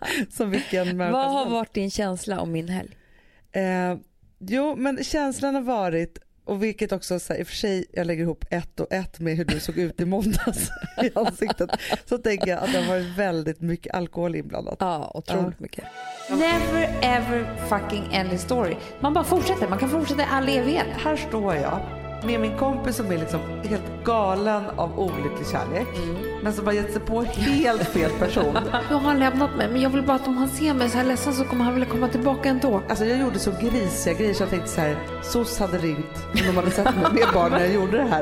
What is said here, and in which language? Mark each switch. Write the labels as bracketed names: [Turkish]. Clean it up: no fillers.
[Swedish] Som vilken människa. Vad har varit din känsla om min helg? Jo, men känslan har varit, och vilket också så här, i och för sig, jag lägger ihop ett och ett med hur du såg ut i måndags i ansiktet, så tänker jag att det har varit väldigt mycket alkohol inblandat. Ja, otroligt mycket. [English] Never ever fucking end story. [Swedish] Man bara fortsätter, man kan fortsätta all evighet. Här står jag med min kompis som är liksom helt galen av olycklig kärlek, men som har gett sig på helt fel person. Nu har han lämnat mig, men jag vill bara att om han ser mig så här ledsen så kommer han vilja komma tillbaka ändå. Alltså jag gjorde så grisiga grejer så jag tänkte så här, SOS hade ringt om de hade sett mig med barn när jag gjorde det här.